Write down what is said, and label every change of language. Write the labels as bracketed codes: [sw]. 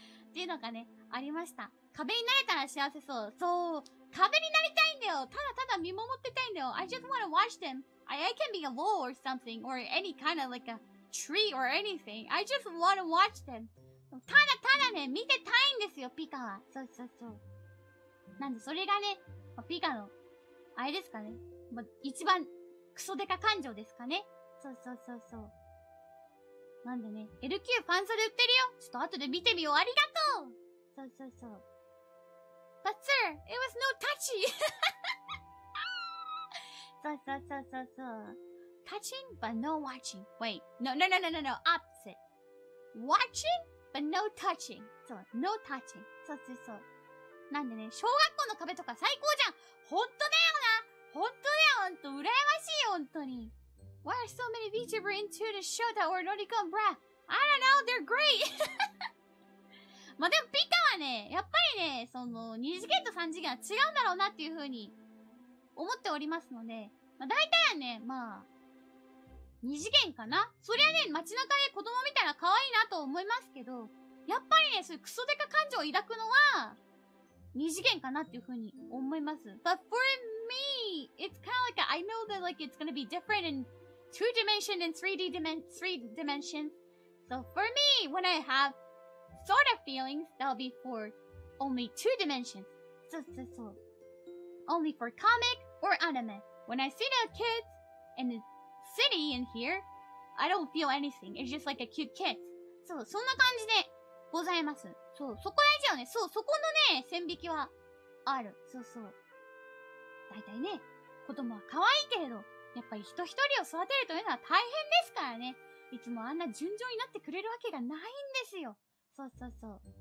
[ja] っていうのがね、ありました。壁になれたら幸せそう。そう。壁になりたいんだよ。ただただ見守ってたいんだよ。 [en] I just wanna watch them. I can be a wall or something, or any kind of like a tree or anything. I just wanna watch them. [ja] ただただね、見てたいんですよ、ピカは。そうそうそう。なんで、それがね、ピカの、あれですかね。ま、一番、クソデカ感情ですかね。そうそうそうそう。なんでね、LQ ファンソで売ってるよ。ちょっと後で見てみよう。ありがとう。そうそうそう。 [en] But sir, it was no touchy! [ja] そうそうそうそうそう。 [en] Touching but no watching. Wait, no, no, no, no, no, no, opposite. Watching but no touching. [ja] そう、 [en] no touching. [ja] そうそうそう。なんでね、小学校の壁とか最高じゃん。ほんとだよな。ほんとだよ、ほんと。羨ましいよ、ほんとに。 [en] Why are so many VTuber into the show that were not gone, bruh? I don't know, they're great! [ja] ま、でも、ピカはね、やっぱりね、その、二次元と三次元は違うんだろうなっていうふうに、思っておりますので、ま、大体はね、まあ、二次元かな？そりゃね、街中で子供見たら可愛いなと思いますけど、やっぱりね、そういうクソデカ感情を抱くのは、二次元かなっていうふうに思います。 [en] But for me, it's kind of like, I know that like, it's gonna be different in two dimension and three dimensions. So for me, when I have sort of feelings, that'll be for only two dimensions. [ja] そうそうそう。 [en] Only for comic or anime. When I see the kids in the city in here, I don't feel anything. It's just like a cute kid. [ja] そう、そんな感じでございます。そう、そこ大事よね。そう、そこのね、線引きはある。そうそう。大体ね、子供は可愛いけれど、やっぱり人一人を育てるというのは大変ですからね。いつもあんな順調になってくれるわけがないんですよ。そうそうそう。